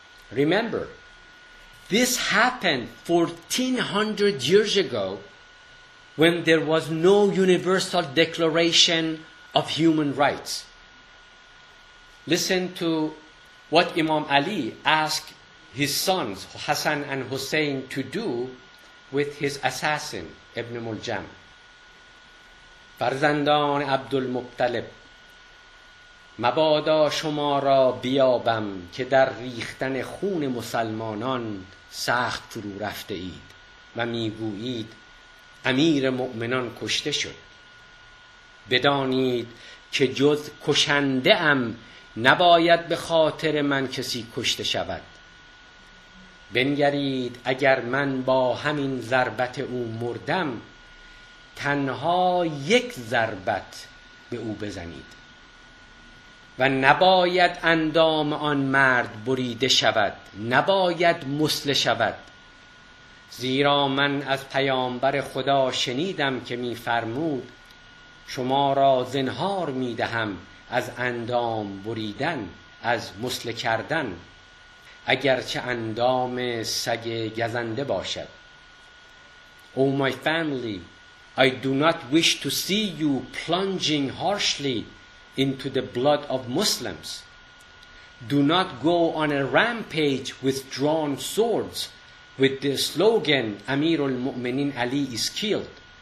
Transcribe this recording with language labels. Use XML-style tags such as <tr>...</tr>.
<en>Remember, this happened 1400 years ago when there was no Universal Declaration of Human Rights. Listen to what Imam Ali asked his sons, Hassan and Hussein, to do with his assassin, ابن ملجم.</en> <fa>فرزندان عبدالمطلب، مبادا شما را بیابم که در ریختن خون مسلمانان سخت فرو رفته اید و میگویید امیر مؤمنان کشته شد. بدانید که جز کشنده ام نباید به خاطر من کسی کشته شود. بنگرید اگر من با همین ضربت او مردم، تنها یک ضربت به او بزنید و نباید اندام آن مرد بریده شود، نباید مسله شود، زیرا من از پیامبر خدا شنیدم که می فرمود شما را زنهار می دهم از اندام بریدن، از مسله کردن، اگرچه اندام سگ گزنده باشد.</fa> <en>Oh my family, I do not wish to see you plunging harshly into the blood of Muslims. Do not go on a rampage with drawn swords with the slogan Amir al-Mu'minin Ali is killed.</en>